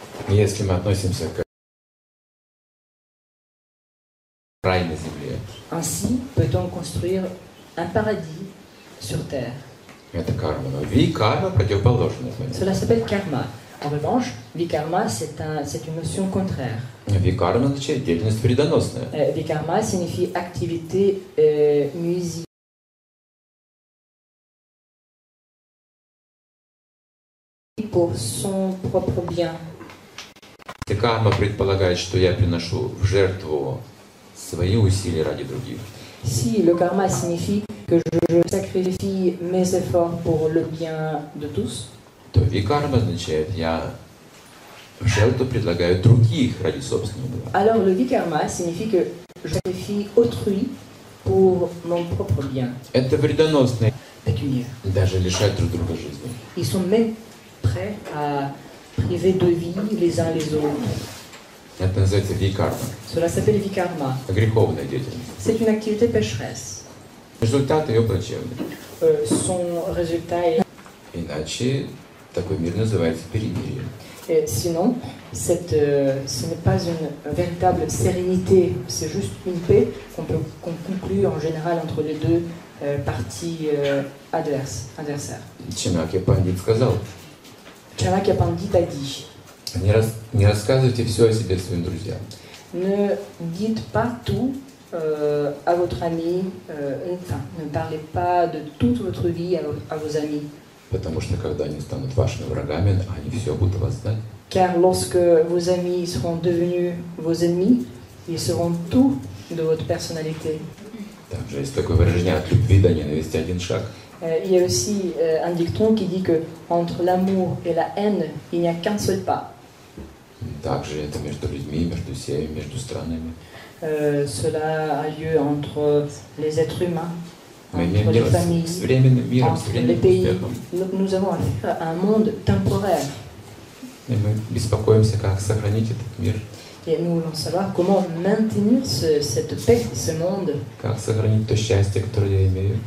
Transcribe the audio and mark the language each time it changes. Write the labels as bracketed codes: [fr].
[ru] Если мы относимся к рай на земле. [fr] Ainsi peut-on construire un paradis sur terre. [ru] Это карма, но викарма противоположная. [fr] Cela s'appelle karma. En revanche, vikarma c'est une notion contraire. [ru] Викарма означает деятельность вредоносная. [fr] Викарма signifie activité nuisible. Pour son propre bien. [ru] Эта карма предполагает, что я приношу в жертву свои усилия ради других. [fr] Si le karma signifie que je sacrifie mes efforts pour le bien de tous. [ru] То викарма означает я жертву предлагаю других ради собственного блага. [fr] Alors le vikarma signifie que je sacrifie autrui pour mon propre bien. [ru] Это вредоносно. [fr] Pécuniaire. [ru] Даже лишать друг друга жизни. [fr] Ils sont même prêts à priver de vie les uns les autres. [ru] Это называется викарма. [fr] Cela s'appelle vikarma. [ru] Греховная деятельность. [fr] C'est une activité pécheresse. [ru] Результат ее плачевный. [fr] Son résultat est. [ru] Иначе такой мир называется перемирием. [fr] Sinon, ce n'est pas une véritable sérénité, c'est juste une paix qu'on conclut en général entre les deux parties adversaires. [ru] Чанакья Пандит сказал. [fr] Чанакья Пандит a dit. [ru] Не рассказывайте все о себе своим друзьям. [fr] Ne dites pas tout à votre ami. Enfin, ne parlez pas de toute votre vie à vos amis. [ru] Потому что когда они станут вашими врагами, они все будут вас знать. [fr] Car lorsque vos amis seront devenus vos ennemis, ils seront tout de votre personnalité. [ru] Также есть такое выражение: от любви до ненависти один шаг. [fr] Il y a aussi un dicton qui dit que entre l'amour et la haine, il n'y a qu'un seul pas. [ru] Также это между людьми, между семьями, между странами. [fr] Cela a lieu entre les êtres humains, entre les familles, entre les pays. Nous avons affaire à un monde temporaire. [ru] Et мы беспокоимся, как сохранить этот мир. [fr] Et nous voulons savoir comment maintenir cette paix, ce monde. [ru] Как сохранить то счастье, которое я имею.